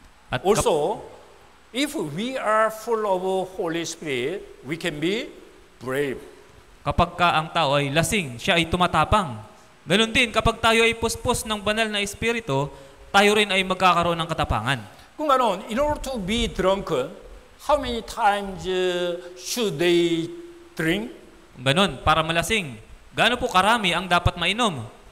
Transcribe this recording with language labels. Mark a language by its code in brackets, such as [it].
[en] At also, if we are full of Holy Spirit, we can be brave. [tl] Kapag ka ang tao ay lasing, siya ay tumatapang. Ganun din, kapag tayo ay puspos ng banal na Espiritu, tayo rin ay magkakaroon ng katapangan. Kung ano, [en] in order to be drunken, how many times should they drink? [tl] Ganun, para malasing. Gaano po karami ang dapat mainom?